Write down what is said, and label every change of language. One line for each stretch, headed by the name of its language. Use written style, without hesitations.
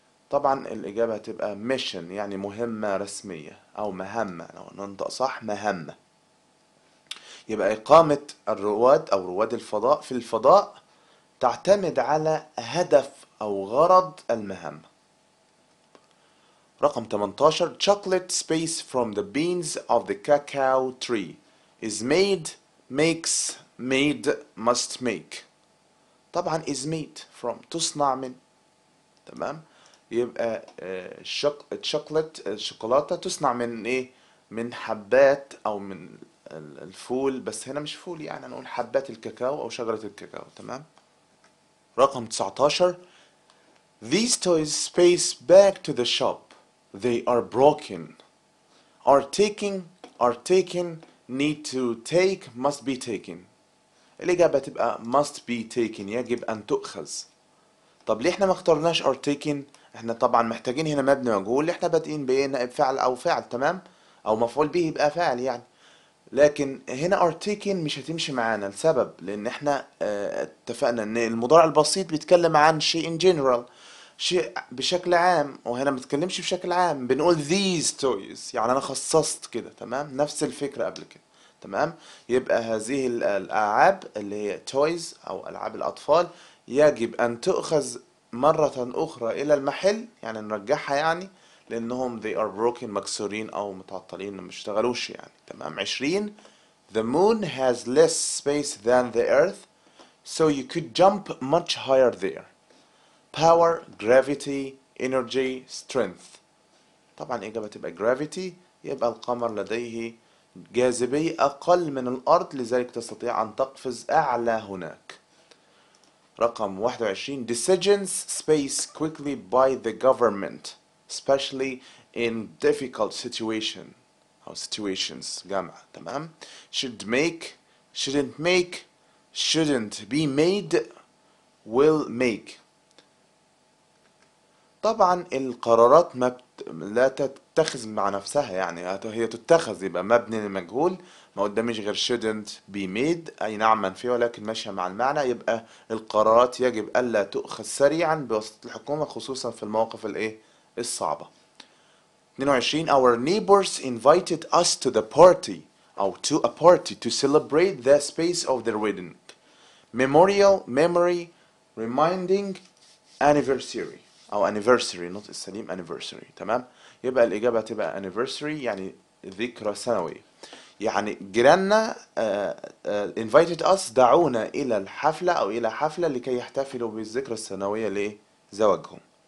Arabic: طبعا الإجابة هتبقى mission يعني مهمة رسمية أو مهمة, لو ننطق صح مهمة. يبقى إقامة الرواد أو رواد الفضاء في الفضاء تعتمد على هدف أو غرض المهمة.
English: رقم 18, chocolate space from the beans of the cacao tree is made, makes, made, must make.
Arabic: طبعا
English: is made from,
Arabic: تصنع من. تمام, يبقى الشوكولاتة تصنع من ايه, من حبات او من الفول, بس هنا مش فول يعني, نقول حبات الكاكاو او شجرة الكاكاو. تمام, رقم 19,
English: These toys space back to the shop. They are broken. Are taken, need to take, must be taken.
Arabic: الإجابة تبقى
English: must be taken,
Arabic: يجب أن تؤخذ. طب ليه احنا ما اخترناش
English: are taken؟
Arabic: احنا طبعا محتاجين هنا مبني مجهول اللي احنا بادئين بيه نائب فعل أو فاعل، تمام؟ أو مفعول به يبقى فاعل يعني. لكن هنا
English: are taken
Arabic: مش هتمشي معانا لسبب، لأن احنا اتفقنا إن المضارع البسيط بيتكلم عن شيء
English: in general،
Arabic: شيء بشكل عام، وهنا ما بتكلمش بشكل عام، بنقول
English: these toys،
Arabic: يعني أنا خصصت كده، تمام؟ نفس الفكرة قبل كده، تمام؟ يبقى هذه الألعاب اللي هي toys أو ألعاب الأطفال يجب أن تؤخذ مرة أخرى إلى المحل، يعني نرجعها يعني، لأنهم
English: they are broken
Arabic: مكسورين أو متعطلين ما اشتغلوش يعني، تمام؟ 20
English: The moon has less space than the earth, so you could jump much higher there. Power, gravity, energy, strength.
Arabic: طبعا الإجابة تبقى gravity، يبقى القمر لديه جاذبية أقل من الأرض، لذلك تستطيع أن تقفز أعلى هناك.
English: رقم 21 Decisions space quickly by the government, especially in difficult situation أو situations.
Arabic: جامعة، تمام؟
English: Should make, shouldn't make, shouldn't be made, will make.
Arabic: طبعا القرارات ما لا تتخذ مع نفسها، يعني هي تتخذ، يبقى مبني للمجهول، ما قداميش غير
English: shouldn't be made،
Arabic: اي نعم من فيه ولكن ماشيه مع المعنى، يبقى القرارات يجب الا تؤخذ سريعا بواسطه الحكومه، خصوصا في المواقف الايه الصعبه.
English: 22 Our neighbors invited us to the party او to a party to celebrate the space of their wedding. Memorial, memory, reminding, anniversary.
Arabic: أو anniversary، نطق السليم anniversary، تمام؟ يبقى الإجابة تبقى anniversary يعني ذكرى سنوية. يعني جيراننا
English: invited us،
Arabic: دعونا إلى الحفلة أو إلى حفلة لكي يحتفلوا بالذكرى السنوية لزواجهم.